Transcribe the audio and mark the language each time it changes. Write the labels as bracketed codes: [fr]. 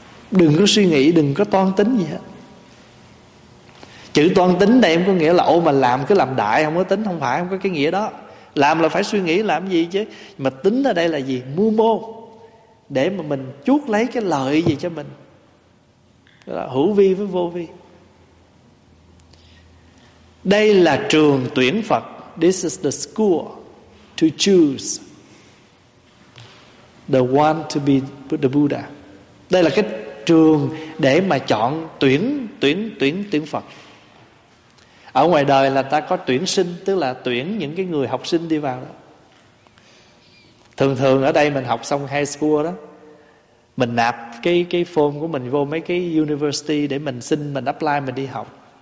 [vi] Đừng có suy nghĩ, đừng có toan tính gì hết. Chữ toan tính đây em có nghĩa là ô mà làm cứ làm đại, không có tính, không phải, không có cái nghĩa đó. Làm là phải suy nghĩ làm gì chứ. Mà tính ở đây là gì? Mưu mô, để mà mình chuốc lấy cái lợi gì cho mình. Đó là hữu vi với vô vi. Đây là trường tuyển Phật. [en] This is the school to choose the one to be the Buddha. [vi] Đây là cái trường để mà chọn tuyển Phật. Ở ngoài đời là ta có tuyển sinh, tức là tuyển những cái người học sinh đi vào đó. Thường thường ở đây mình học xong [en] high school [vi] đó, mình nạp cái [en] form [vi] của mình vô mấy cái [en] university [vi] để mình xin, mình [en] apply, [vi] mình đi học.